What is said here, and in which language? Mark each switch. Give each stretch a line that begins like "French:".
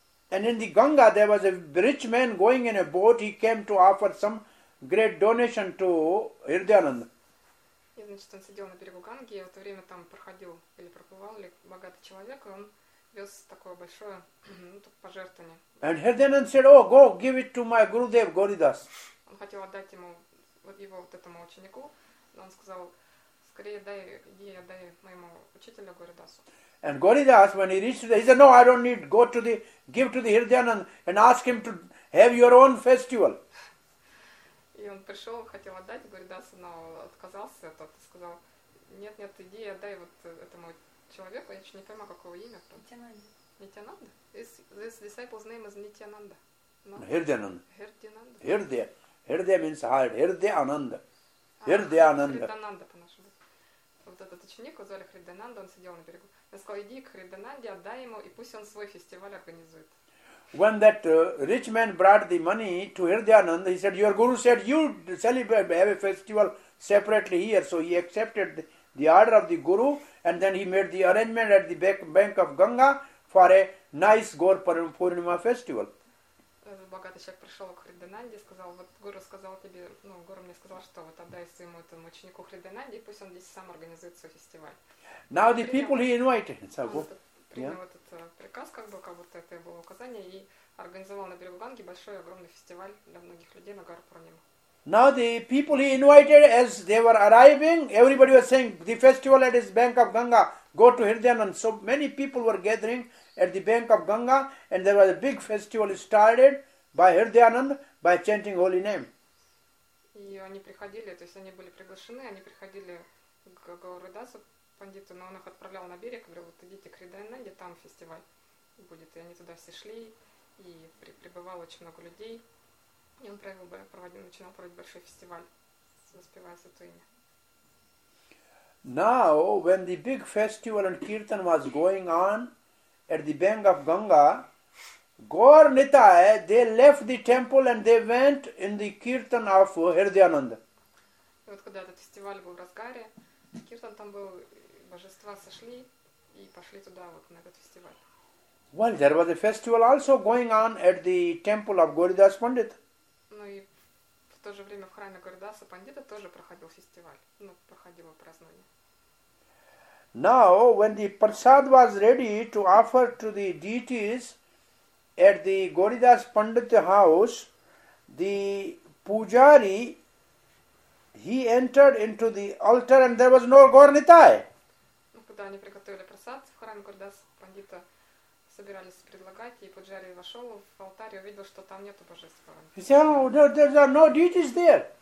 English: And in the Ganga, there was a rich man going in a boat. He came to offer some great donation to Hridayananda.
Russian: И, значит, он сидел на берегу Ганги, и в то время там проходил или проплывал или богатый человек, и он вез такое большое пожертвование.
English: And Hridayananda said, oh, go, give it to my Gurudev, Gauridas.
Russian: Он хотел отдать ему, его вот этому ученику, но он сказал, скорее дай, иди отдай моему учителю Гурудасу.
English: And Gauridas, when he reached there, he said, no, I don't need, go to the, give to the Hridayananda and ask him to have your own festival.
Russian: И он пришел, хотел отдать Гурдасу, но отказался. Тот сказал, нет, нет, иди, отдай вот этому человеку, я еще не понимаю, какого имя. Нитянанда.
English: Нитянанда? This disciple's name is Нитянанда. Hridayananda. Hridayananda. Hridaya means heart. Hridayananda. Hridayananda.
Russian: Hridayananda, по-нашему. Вот этот ученик, звали Hridayananda, он сидел на берегу. Я сказал, иди к Hridayananda, отдай ему, и пусть он свой фестиваль организует.
English: When that rich man brought the money to Hridayananda, he said, your guru said, you celebrate, have a festival separately here. So he accepted the order of the guru, and then he made the arrangement at the bank of Ganga for a nice Gaur Purnima festival.
Russian: Богатый человек пришел к Hridayananda и сказал, вот гуру сказал тебе, ну, гуру мне сказал, что вот отдай своему этому ученику Hridayananda, и пусть он здесь сам организует свой фестиваль.
English: Now the people he invited. So,
Russian: принял этот приказ, как будто это было указание, и организовал на берегу Ганги большой огромный фестиваль для многих людей на Гаур Пурнима.
English: Now the people he invited, as they were arriving, everybody was saying, the festival at his bank of Ganga, go to Hridayanand. So many people were gathering at the bank of Ganga, and there was a big festival started by Hridayanand by chanting holy name.
Russian: И они приходили, то есть они были приглашены, они приходили к Гаурадасу пандиту, но он их отправлял на берег, говорил, вот идите к Хридаянанде, там фестиваль будет. И они туда все шли, и прибывало очень много людей. И он начинал проводить большой фестиваль, воспевая это имя.
English: Now, when the big festival and kirtan was going on at the bank of Ganga, Gaur Nithai, they left the temple and they went in the kirtan of Hridayananda.
Russian: И вот когда этот фестиваль был в разгаре, киртан там был, божества сошли и пошли туда, вот на этот фестиваль.
English: Well, there was a festival also going on at the temple of Gauridas Pandit.
Russian: Ну и в то же время в храме Гаурадаса Пандита тоже проходил фестиваль, ну, проходило празднование.
English: Now, when the prasad was ready to offer to the deities, at the Gauridas Pandit house, the pujari, he entered into the altar and there was no Gaur Nithai.
Russian: Когда они приготовили прасад в храме Гаурадаса Пандита, собирались предлагать, и пуджари вошел в алтарь и увидел, что там нету божества.
English: He said, oh, there are no deities there.